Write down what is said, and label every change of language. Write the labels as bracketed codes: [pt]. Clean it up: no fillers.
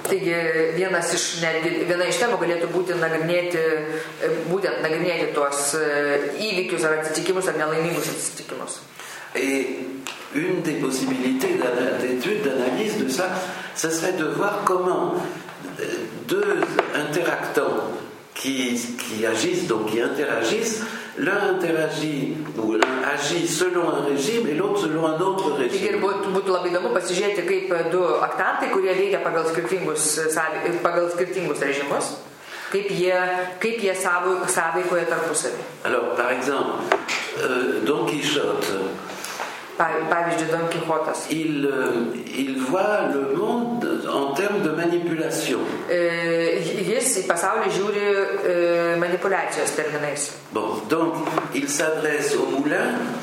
[lt] Taigi, vienas iš, netgi, viena iš temų galėtų būti nagrinėti, būtent nagrinėti tuos įvykius ar atsitikimus ar nelaimingus atsitikimus. [fr] Et une des possibilités d'étude, d'analyse de ça, ce serait de voir comment deux interactants qui agissent, donc qui interagissent, l'un interagit ou l'un agit selon un régime et l'autre selon un autre régime. [lt] Ir būtų labai įdomu pasižiūrėti, kaip du aktantai, kurie veikia pagal skirtingus režimus, kaip jie sąveikoja tarpusavį. [fr] Alors, par exemple, Don Quichotte. [lt] Pavyzdžiui, Don Quichotas. [fr] Il voit le monde en termes de manipulation. [lt] Jis į pasaulį žiūri manipuliacijos terminais. [fr] Bon, donc, il s'adresse au moulin.